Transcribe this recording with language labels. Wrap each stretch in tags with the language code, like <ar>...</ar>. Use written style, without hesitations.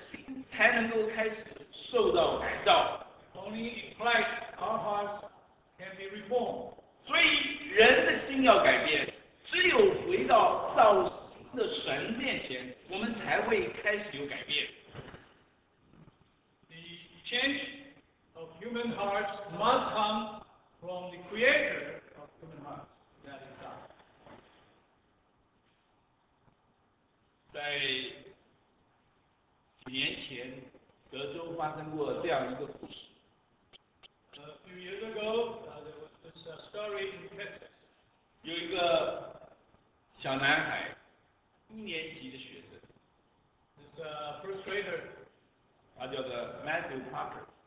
<zh>只有我们在基督里，我们的心才能够开始受到改造。</zh> <en>Only in Christ our hearts can be reformed.</en> <zh>所以人的心要改变，只有回到造。的神面前，我们才会开始有改变。</zh> <en>The change of human hearts must come from the Creator of human hearts, that is God.</en> <zh>在几年前，德州发生过这样一个故事。</zh> <en>A few years ago, there was this story in Texas.</en> <zh>有一个小男孩。一年级的学生。</zh> <en>This first grader.</en> <zh>他叫做 Matthew Parker.</zh>